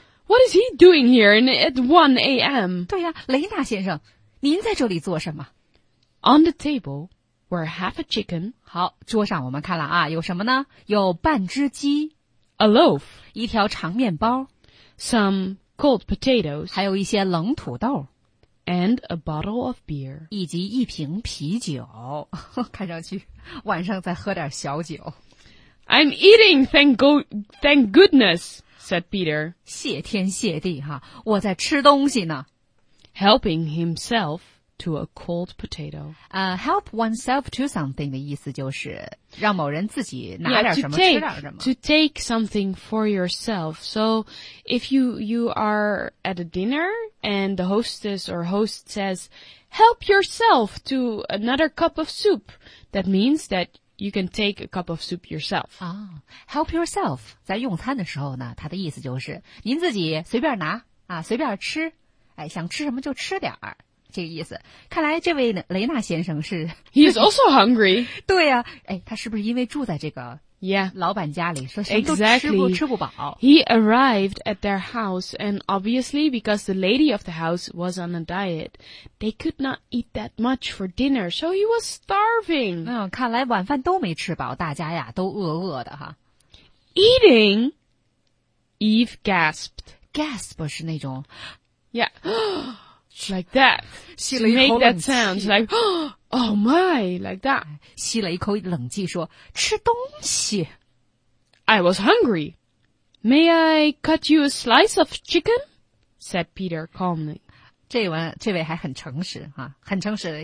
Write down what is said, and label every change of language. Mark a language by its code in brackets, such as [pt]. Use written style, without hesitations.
[en] What is he doing here at 1 a.m? [zh] 对呀、啊、雷纳先生您在这里做什么 [en] ?On the table were half a chicken. [zh] 好桌上我们看了啊有什么呢有半只鸡。 [en] A loaf. [zh] 一条长面包。 [en] Some cold potatoes. [zh] 还有一些冷土豆。 [en] And a bottle of beer. [zh] 以及一瓶啤酒。看上去晚上再喝点小酒。 [en] I'm eating, thank goodness, said Peter. [zh] 谢天谢地哈我在吃东西呢。 [en] Helping himself to a cold potato. Help oneself to something [zh] 的意思就是让某人自己拿点什么 yeah, take, 吃点什么。 [en] To take something for yourself. So if you are at a dinner,And the hostess or host says, help yourself to another cup of soup. That means that you can take a cup of soup yourself.、 Oh, help yourself. [zh] 在用餐的时候呢它的意思就是您自己随便拿啊随便吃、哎、想吃什么就吃点儿。这个意思。看来这位雷纳先生是。 [en] He is also hungry. [zh] 对啊、哎、他是不是因为住在这个。 Yeah. 老板家里说什么都吃不吃不饱。 [en] Exactly. He arrived at their house, and obviously because the lady of the house was on a diet, they could not eat that much for dinner, so he was starving. [zh] 嗯，看来晚饭都没吃饱，大家呀都饿饿的哈。 [en] Eating, Eve gasped. [zh] Gasp 是那种 [en] ，Yeah, like that. To make that sound, like. Oh my, like that. [zh] 吸了一口冷气说吃东西。 [en] I was hungry. May I cut you a slice of chicken? Said Peter calmly. [zh] 这位还很诚实啊很诚实。